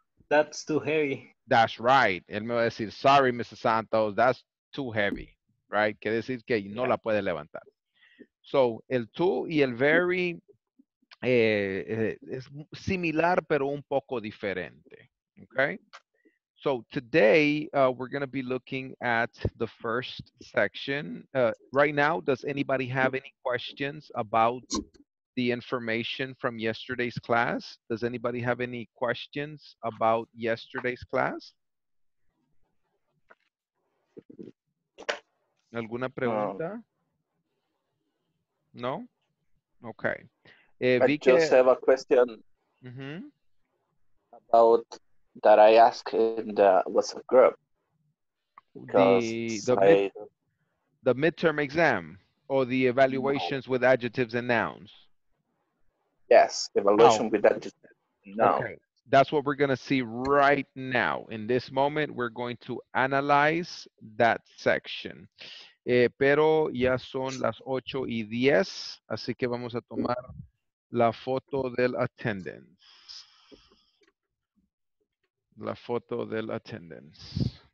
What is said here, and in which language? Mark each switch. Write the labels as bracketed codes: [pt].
[en] That's too heavy. That's right. [es] Él me va a decir, [en] sorry, Mr. Santos, that's too heavy. Right? [es] Quiere decir que no la puede levantar. So, el too y el very es similar, pero un poco diferente. [en] Okay? So, today, we're going to be looking at the first section. Right now, does anybody have any questions about the information from yesterday's class? Does anybody have any questions about yesterday's class? [es] ¿Alguna pregunta? No? Okay. [en] I just have a question about that I asked in the WhatsApp group. The midterm exam or the evaluations with adjectives and nouns? Yes, evaluation with adjectives. No. Okay. That's what we're going to see right now. In this moment, we're going to analyze that section. [es] Pero ya son las 8 y 10, así que vamos a tomar la foto del attendance. La foto del attendance.